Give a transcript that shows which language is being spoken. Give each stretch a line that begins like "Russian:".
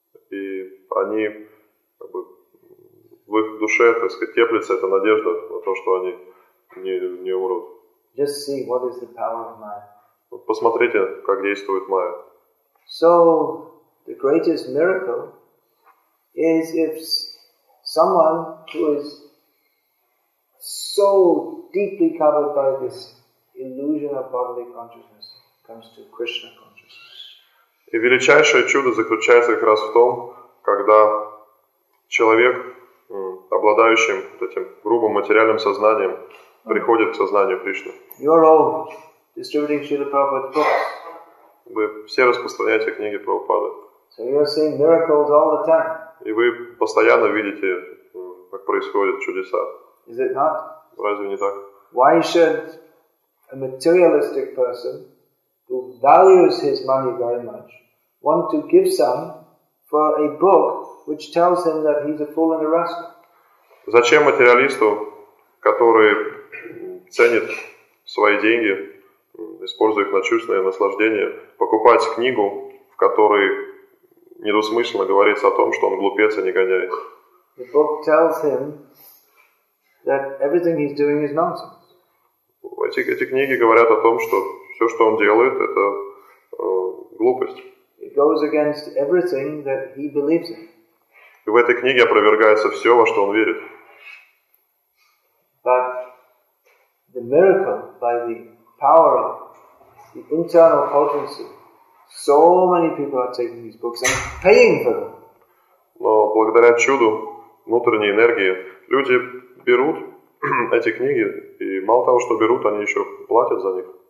Russian: И они, как бы, в их душе, так сказать, теплится эта надежда на то, что они не умрут.
English: Just see what is the power of Maya.
Russian: Вот посмотрите, как действует Майя.
English: So the greatest miracle is if someone who is so deeply covered by this illusion of bodily consciousness comes to Krishna consciousness.
Russian: И величайшее чудо заключается как раз в том, когда человек, обладающий этим грубым материальным сознанием, приходит к сознанию Кришны.
English: You're all distributing Srila Prabhupada's books.
Russian: Вы все распространяете книги Прабхупады.
English: So you're seeing miracles all the time.
Russian: И вы постоянно видите, как происходят чудеса.
English: Is it not?
Russian: Разве не так?
English: Why should a materialistic person who values his money very much want to give some for a book which tells him that he's a fool and a rascal?
Russian: Зачем материалисту, который ценит свои деньги, используя их на чувственное наслаждение, покупать книгу, в которой недвусмысленно говорится о том, что он глупец и негодяй?
English: The book tells him that everything he's doing is nonsense.
Russian: Эти книги говорят о том, что все, что он делает, это глупость.
English: It goes against everything that he believes in.
Russian: И в этой книге опровергается все, во что он верит.
English: But the miracle by the power of the internal potency, so many people are taking these books and paying for them.
Russian: Но благодаря чуду внутренней энергии люди берут эти книги, и мало того, что берут, они еще платят за них.